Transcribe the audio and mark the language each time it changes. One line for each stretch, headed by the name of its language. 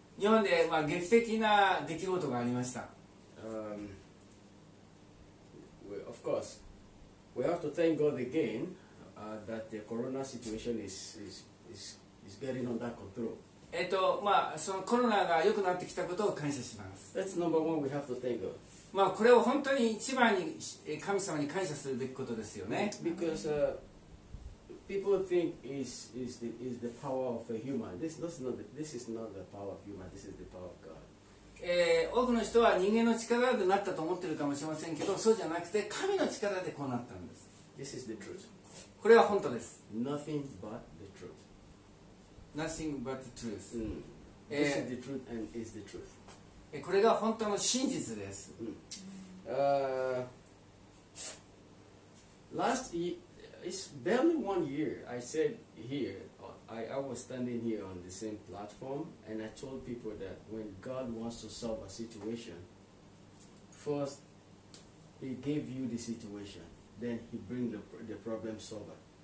Japanese: 日本で、劇的な出来事がありました。
English: Of course. We have to thank God again that the corona situation is getting under control.
Japanese: そのコロナが良くなってきたことを感謝します。
English: That's number one we have to thank God.
Japanese: これを本当に一番に神様に感謝するべきことですよね。
English: Because people think is the power of a human. This is not the power of human. This is the power of God.
Japanese: 多くの人は人間の力でなったと思ってるかもしれませんけど、そうじゃなくて神の力でこうなったんです。
English: This is the truth.
Japanese: これは本当です。
English: Nothing but the truth. Nothing but the truth.、 Mm. This is the truth and is the truth.
Japanese: これが本当の真実です。 Mm.
English: Last year, it's barely one year, I said here. I was standing here on the same platform and I told people that when God wants to solve a situation, first He gave you the situation, then He brings the problem solver.